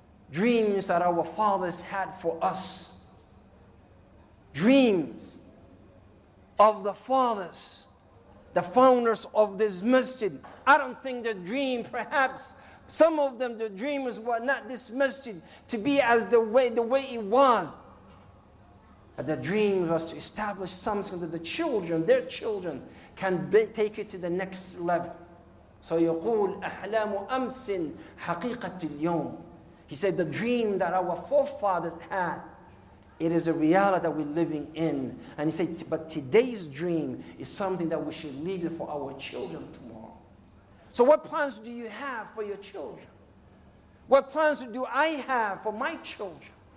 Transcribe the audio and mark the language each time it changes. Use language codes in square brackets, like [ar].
[en] Dreams that our fathers had for us. Dreams of the fathers, the founders of this masjid. I don't think the dream, perhaps some of them, the dreams were not this masjid to be as the way it was. But the dream was to establish something that the children, their children, can take it to the next level. [ar] So يقول أحلام أمس حقيقة اليوم. [en] He said, the dream that our forefathers had, it is a reality that we're living in. And he said, but today's dream is something that we should leave for our children tomorrow. So what plans do you have for your children? What plans do I have for my children?